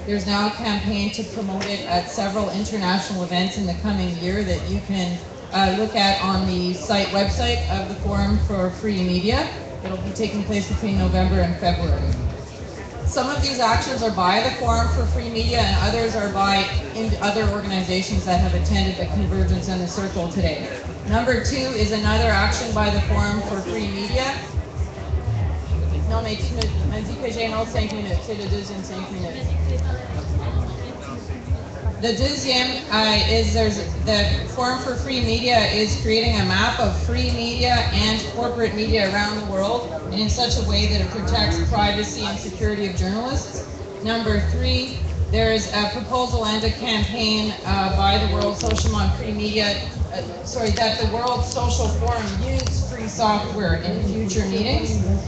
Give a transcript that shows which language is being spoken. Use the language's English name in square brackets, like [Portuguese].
[English] There's now a campaign to promote it at several international events in the coming year that you can look at on the website of the Forum for Free Media. It'll be taking place between November and February. some of these actions are by the Forum for Free Media and others are by other organizations that have attended the Convergence and the Circle today. Number two is another action by the Forum for Free Media. [French] Non, mais tu m'as dit que j'ai 5 minutes. C'est le deuxième 5 minutes. [English] The deuxième is there's the Forum for Free Media is creating a map of free media and corporate media around the world and in such a way that it protects privacy and security of journalists. Number three, there is a proposal and a campaign by the World Social on Free Media, that the World Social Forum use free software in future meetings.